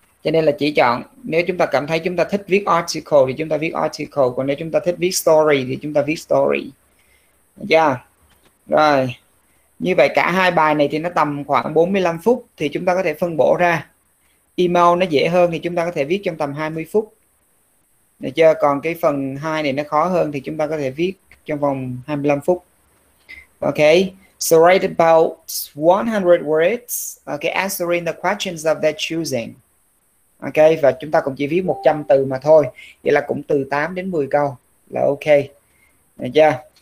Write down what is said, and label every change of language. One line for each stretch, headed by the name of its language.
Vietnamese: Cho nên là chỉ chọn, nếu chúng ta cảm thấy chúng ta thích viết article thì chúng ta viết article, còn nếu chúng ta thích viết story thì chúng ta viết story. Được chưa? Rồi. Như vậy cả hai bài này thì nó tầm khoảng 45 phút thì chúng ta có thể phân bổ ra. Email nó dễ hơn thì chúng ta có thể viết trong tầm 20 phút. Được chưa? Còn cái phần 2 này nó khó hơn thì chúng ta có thể viết trong vòng 25 phút. Ok.
English: So write about 100 words, okay, answering the questions of their choosing.
Vietnamese: Ok, và chúng ta cũng chỉ viết 100 từ mà thôi. Vậy là cũng từ 8 đến 10 câu là ok. Được chưa?